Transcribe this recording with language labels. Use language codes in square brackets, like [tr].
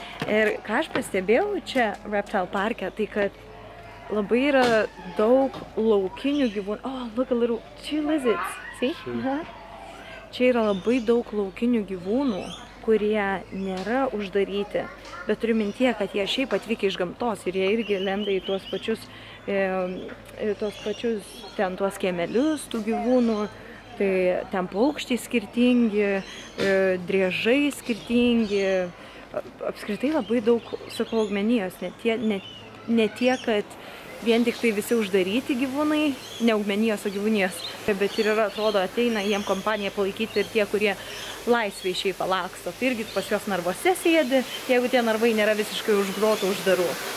[lt] Ir ką aš pastebėjau čia Reptile parke, tai kad labai yra daug laukinių gyvūnų. [en] Oh, look a little, two lizards, see? [lt] Čia yra labai daug laukinių gyvūnų, kurie nėra uždaryti, bet turiu mintyje, kad jie šiaip atvykia iš gamtos ir jie irgi lenda į tuos pačius ten tuos kiemelius tų gyvūnų. Tai ten paukščiai skirtingi, driežai skirtingi, apskritai labai daug, sakau, augmenijos, ne tie, kad vien tik tai visi uždaryti gyvūnai, ne augmenijos, o gyvūnijos, bet ir yra, atrodo, ateina jiem kompaniją palaikyti ir tie, kurie laisviai šiaip palaksto, tai irgi pas juos narvose sėdi, jeigu tie narvai nėra visiškai užgrotų, uždarų.